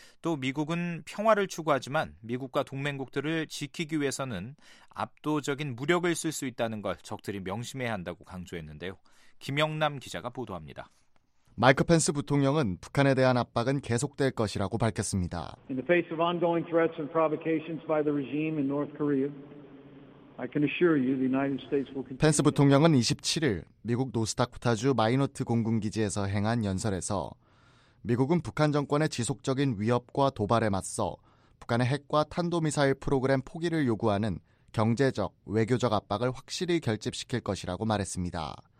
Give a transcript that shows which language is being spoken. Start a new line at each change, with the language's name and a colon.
Korean: 또 미국은 평화를 추구하지만 미국과 동맹국들을 지키기 위해서는 압도적인 무력을 쓸 수 있다는 걸 적들이 명심해야 한다고 강조했는데요. 김영남 기자가 보도합니다. 마이크 펜스 부통령은 북한에 대한 압박은 계속될 것이라고 밝혔습니다.
English: In the face of ongoing threats and provocations by the regime in North Korea, I can assure you the United States will continue.
Korean: 펜스 부통령은 27일 미국 노스다코타주 마이너트 공군기지에서 행한 연설에서 미국은 북한 정권의 지속적인 위협과 도발에 맞서 북한의 핵과 탄도미사일 프로그램 포기를 요구하는 경제적, 외교적 압박을 확실히 결집시킬 것이라고 말했습니다.